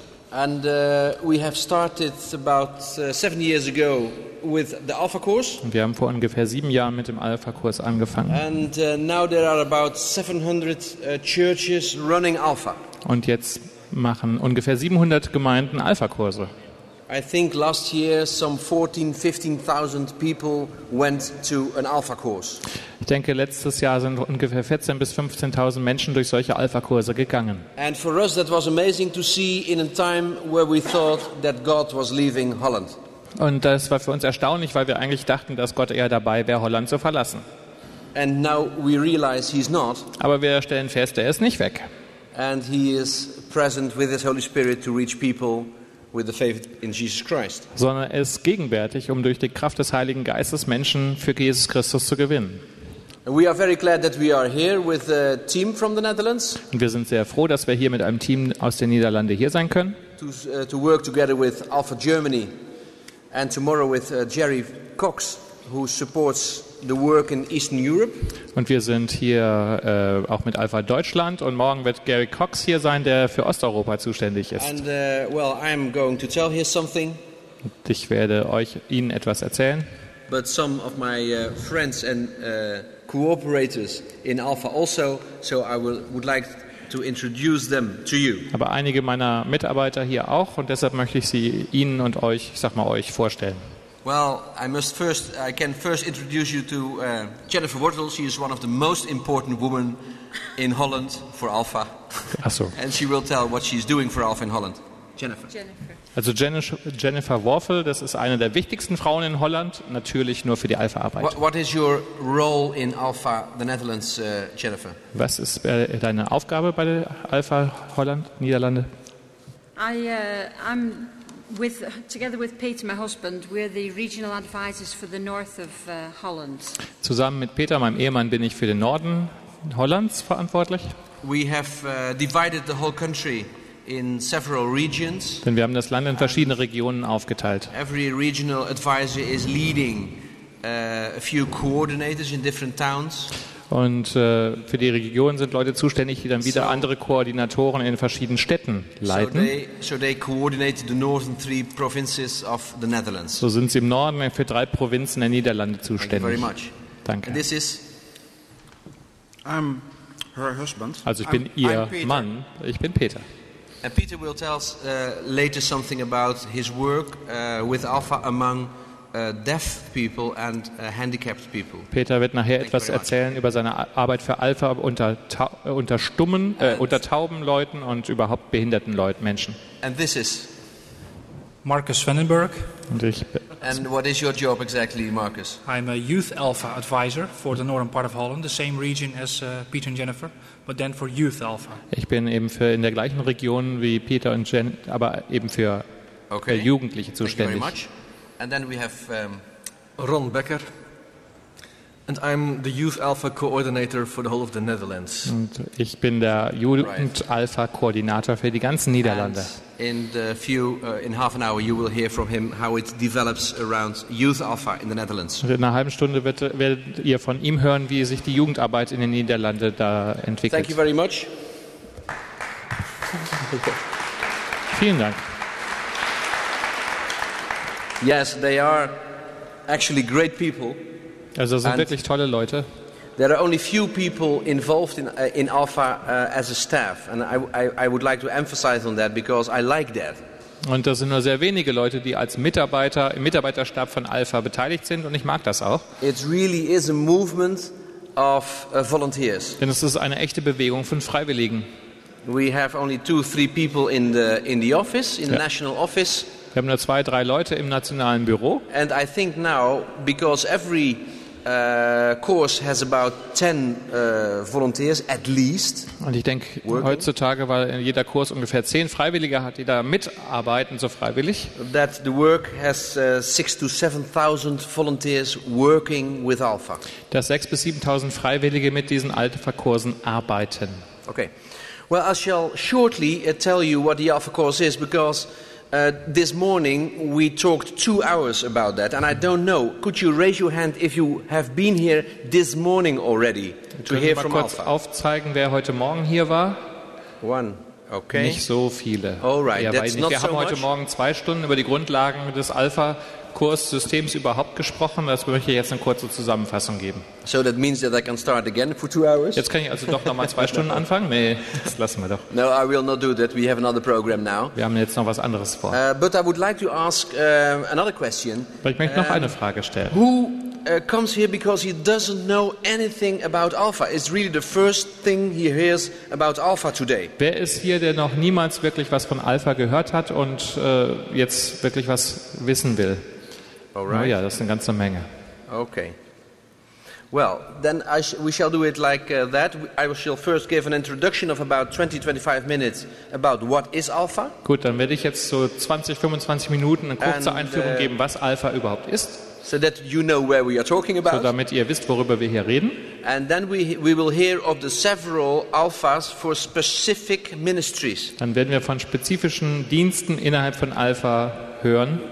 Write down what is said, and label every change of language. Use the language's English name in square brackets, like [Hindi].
[English] And we have started about 7 years ago with the Alpha Course. [German] Wir haben vor ungefähr 7 Jahren mit dem Alpha Kurs angefangen. [English] And now there are about 700 churches running Alpha. [German] Und jetzt machen ungefähr 700 Gemeinden Alpha Kurse. [English] I think last year some 14,000-15,000 people went to an Alpha Course. [German] Ich denke, letztes Jahr sind ungefähr 14.000 bis 15.000 Menschen durch solche Alpha-Kurse gegangen. [English] And for us that was amazing to see in a time where we thought that God was leaving Holland. [German] Und das war für uns erstaunlich, weil wir eigentlich dachten, dass Gott eher dabei wäre, Holland zu verlassen. [English] And now we realize he's not. [German] Aber wir stellen fest, er ist nicht weg. [English] And he is present with his Holy Spirit to reach people with the faith in Jesus Christ. [German] Sondern er ist gegenwärtig, um durch die Kraft des Heiligen Geistes Menschen für Jesus Christus zu gewinnen. [English] We are very glad that we are here with a team from the Netherlands. [German] Und wir sind sehr froh, dass wir hier mit einem Team aus den Niederlanden hier sein können. [English] To work together with Alpha Germany and tomorrow with Jerry Cox, who supports the work in Eastern Europe. [German] Und wir sind hier auch mit Alpha Deutschland und morgen wird Gary Cox hier sein, der für Osteuropa zuständig ist. [English] And well, I'm going to tell him something. [German] Ich werde euch ihnen etwas erzählen. [English] But some of my friends and cooperators in Alpha also, so I would like to introduce them to you. [German] Aber einige meiner Mitarbeiter hier auch und deshalb möchte ich sie Ihnen und euch, ich sag mal euch, vorstellen. [English] Well, I can first introduce you to Jennifer Wortel. She is one of the most important women in Holland for Alpha. [German] Ach so. [English] And she will tell what she's doing for Alpha in Holland. Jennifer. [German] Also Jennifer Wortel, das ist eine der wichtigsten Frauen in Holland, natürlich nur für die Alpha-Arbeit. [English] What is your role in Alpha, the Netherlands, Jennifer? [German] Was ist deine Aufgabe bei der Alpha Holland, Niederlande? [English] I'm together with Peter, my husband, we're the regional advisors for the north of Holland. [German] Zusammen mit Peter, meinem Ehemann, bin ich für den Norden Hollands verantwortlich. [English] We have divided the whole country in several regions. [German] Denn wir haben das Land in verschiedene Regionen aufgeteilt. [English] Every regional advisor is leading a few coordinators in different towns. [German] Und für die Region sind Leute zuständig, die dann wieder andere Koordinatoren in verschiedenen Städten leiten. [English] So they coordinate the northern three provinces of the Netherlands. [German] So sind sie im Norden für 3 Provinzen der Niederlande zuständig. [English] Thank you very much. [German] Danke. [English] And this is her husband. [German] Also ich bin ihr Mann. Ich bin Peter. [English] And Peter will tell us later something about his work with Alpha among deaf people and handicapped people. [German] Peter wird nachher etwas erzählen über seine Arbeit für Alpha unter Stummen, unter tauben Leuten und überhaupt behinderten Leuten, Menschen. [English] And this is Marcus Vandenberg. And what is your job exactly, Marcus? I'm a youth Alpha advisor for the northern part of Holland, the same region as Peter and Jennifer. But then for youth Alpha. [German] Ich bin eben für in der gleichen Region wie Peter und Jen, aber eben für Jugendliche zuständig. [English] Thank you very much. And then we have Ron Becker. And I'm the youth Alpha coordinator for the whole of the Netherlands. [German] Und ich bin der Jugend Alpha Koordinator für die ganzen Niederlande. [English] And in the few in half an hour you will hear from him how it develops around youth Alpha in the Netherlands. [German] In einer halben Stunde werdet ihr von ihm hören, wie sich die Jugendarbeit in den Niederlanden da entwickelt. [English] Thank you very much. [German] Vielen Dank. [English] Yes, they are actually great people. [German] Also sind wirklich tolle Leute. [English] There are only few people involved in Alpha as a staff, and I would like to emphasize on that because I like that. [German] Und das sind nur sehr wenige Leute, die als Mitarbeiter im Mitarbeiterstab von Alpha beteiligt sind, und ich mag das auch. [English] It really is a movement of volunteers. [German] Denn es ist eine echte Bewegung von Freiwilligen. [English] We have only 2-3 people in the office, in the national office. [German] Wir haben nur 2-3 Leute im nationalen Büro. [English] And I think now, because every course has about 10 volunteers at least. [German] Und ich denke heutzutage, weil in jeder Kurs ungefähr 10 Freiwillige hat, die da mitarbeiten, so freiwillig. [English] That the work has 6,000 to 7,000 volunteers working with Alpha. [German] Dass 6,000 to 7,000 Freiwillige mit diesen Alpha-Kursen arbeiten. [English] Okay. Well, I shall shortly tell you what the Alpha course is, because This morning we talked 2 hours about that, and I don't know. Could you raise your hand if you have been here this morning already to hear from [German] Können wir mal kurz aufzeigen, wer heute Morgen hier war? [English] One. Okay. [German] Nicht so viele. [English] All right. Ja, that's not [German] wir haben so heute [English] much. [German] Morgen 2 Stunden über die Grundlagen des Alpha. Kurssystems überhaupt gesprochen. Das möchte ich jetzt eine kurze Zusammenfassung geben. [English] So that means that I can start again for 2 hours? [German] Jetzt kann ich also doch nochmal 2 Stunden anfangen? Nee, das lassen wir doch. [English] No, I will not do that. We have another program now. [German] Wir haben jetzt noch was anderes vor. [English] But I would like to ask another question. [German] Aber ich möchte noch eine Frage stellen. [English] Who comes here because he doesn't know anything about Alpha? It's really the first thing he hears about Alpha today. [German] Wer ist hier, der noch niemals wirklich was von Alpha gehört hat und jetzt wirklich was wissen will? [English] All right. [German] Oh ja, das ist eine ganze Menge. [English] Okay. Well, then we shall do it like that. I shall first give an introduction of about 20-25 minutes about what is Alpha. [German] Gut, dann werde ich jetzt so 20-25 Minuten eine kurze Einführung geben, was Alpha überhaupt ist. [English] So that you know where we are talking about. [German] So damit ihr wisst, worüber wir hier reden. [English] And then we will hear of the several Alphas for specific ministries. [German] Dann werden wir von spezifischen Diensten innerhalb von Alpha hören.